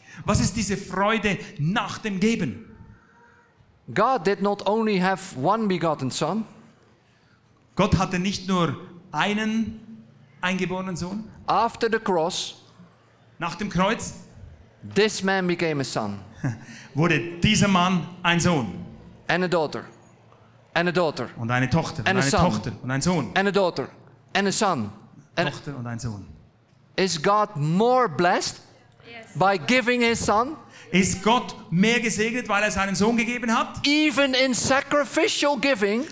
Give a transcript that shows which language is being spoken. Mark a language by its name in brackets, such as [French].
[German] Was ist diese Freude nach dem Geben? [English] God did not only have one begotten son. [German] Gott hatte nicht nur einen eingeborenen Sohn. [English] After the cross, [German] nach dem Kreuz, [English] this man became a son. [German] Wurde dieser Mann ein Sohn. [English] And a daughter. And a daughter. [German] Und eine Tochter. [English] And [German] eine [English] a son. [German] Tochter und ein Sohn. [English] And a daughter. And a son. [German] Tochter und ein Sohn. [English] Is God more blessed by giving his son? [German] Ist Gott mehr gesegnet, weil er seinen Sohn gegeben hat? [English] Even in sacrificial giving.